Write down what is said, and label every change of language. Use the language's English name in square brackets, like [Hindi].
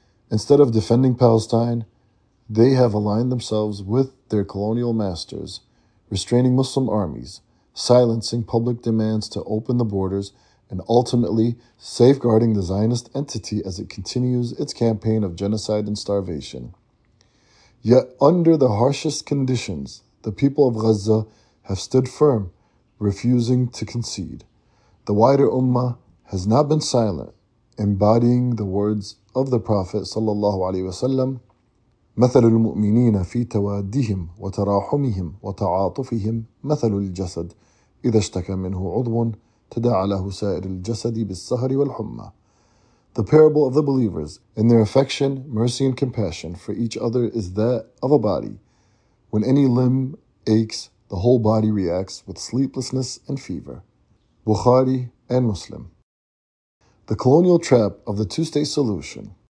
[English] Instead of defending Palestine, they have aligned themselves with their colonial masters, restraining Muslim armies, silencing public demands to open the borders, and ultimately safeguarding the Zionist entity as it continues its campaign of genocide and starvation. Yet under the harshest conditions, the people of Gaza have stood firm, refusing to concede. The wider Ummah has not been silent, embodying the words of the Prophet sallallahu alaihi wasallam, [Arabic] مثل المؤمنين في توادهم وتراحمهم وتعاطفهم مثل الجسد إذا اشتكى منه عضو تداعى له سائر الجسد بالسهر والحمى. [English] The parable of the believers in their affection, mercy, and compassion for each other is that of a body. When any limb aches, the whole body reacts with sleeplessness and fever. Bukhari and Muslim. The colonial trap of the two-state solution.